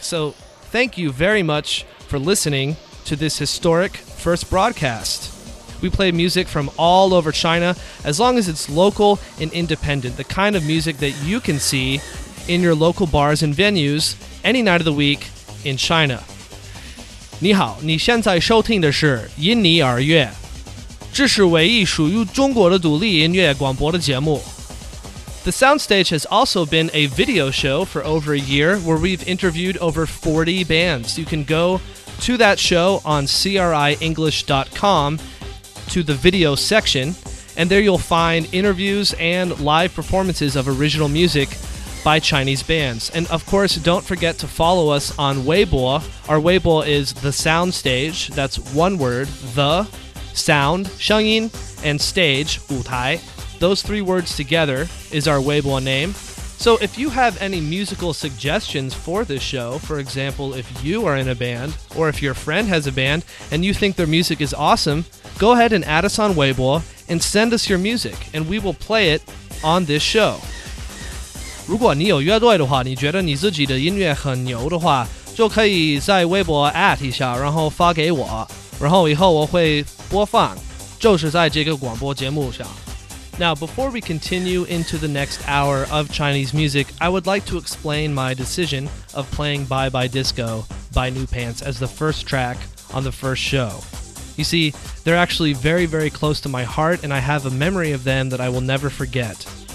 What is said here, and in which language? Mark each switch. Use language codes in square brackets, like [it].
[en] So thank you very much for listening to this historic first broadcast. We play music from all over China, as long as it's local and independent, the kind of music that you can see in your local bars and venues any night of the week in China. [zh] 你好，你现在收听的是印尼尔乐，这是唯一属于中国的独立音乐广播的节目。 [en] The Soundstage has also been a video show for over a year, where we've interviewed over 40 bands. You can go to that show on crienglish.com. to the video section, and there you'll find interviews and live performances of original music by Chinese bands. And of course, don't forget to follow us on Weibo. Our Weibo is The Soundstage, that's one word, The, Sound, 声音, and Stage, 舞台. Those three words together is our Weibo name. So if you have any musical suggestions for this show, for example, if you are in a band, or if your friend has a band, and you think their music is awesome,go ahead and add us on Weibo and send us your music, and we will play it on this show. [zh] 如果你有乐队的话，你觉得你自己的音乐很牛的话，就可以在 Weibo@ 一下，然后发给我，然后以后我会播放。就是在这个广播节目上。 [en] Now, before we continue into the next hour of Chinese music, I would like to explain my decision of playing Bye Bye Disco by New Pants as the first track on the first show. You see, they're actually very, very close to my heart, and I have a memory of them that I will never forget.